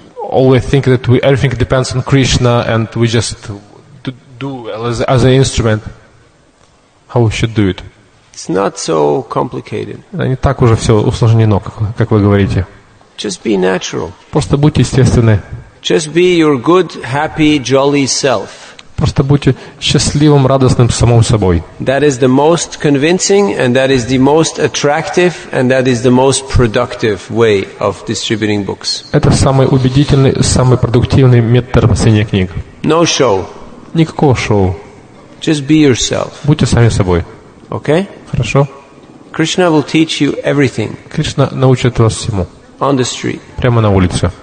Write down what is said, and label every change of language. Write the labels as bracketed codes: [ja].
[en] Always think that everything depends on Krishna, and we just do as an instrument. How we should do it? It's not so complicated. [ru] Не так уже все усложнено, как вы говорите. [en] Just be natural. [ru] Просто будьте естественны. [en] Just be your good, happy, jolly self. [ru] Просто будьте счастливым, радостным самим собой. [en] That is the most convincing, and that is the most attractive, and that is the most productive way of distributing books. [ru] Это самый убедительный, самый продуктивный метод распространения книг. [en] No show. [ru] Никакого шоу. [en] Just be yourself. [ru] Будьте сами собой. [en] Okay? [ru] Хорошо. [en] Krishna will teach you everything. [ru] Кришна научит вас всему. [en] On the street. [ru] Прямо на улице.